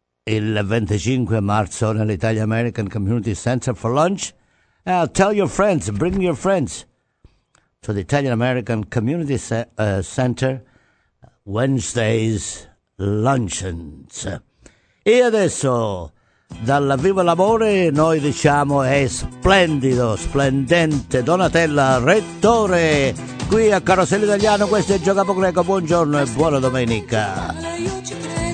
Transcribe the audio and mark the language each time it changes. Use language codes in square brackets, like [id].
[it] il 25 marzo nell'Italia American Community Center [en] for Lunch. I'll tell your friends, bring your friends to the Italian American Community Center Wednesday's Luncheons. [it] E adesso, dalla Viva l'Amore, noi diciamo è splendido, splendente Donatella Rettore, qui a Carosello Italiano, questo è Giocapo Greco, buongiorno e buona domenica.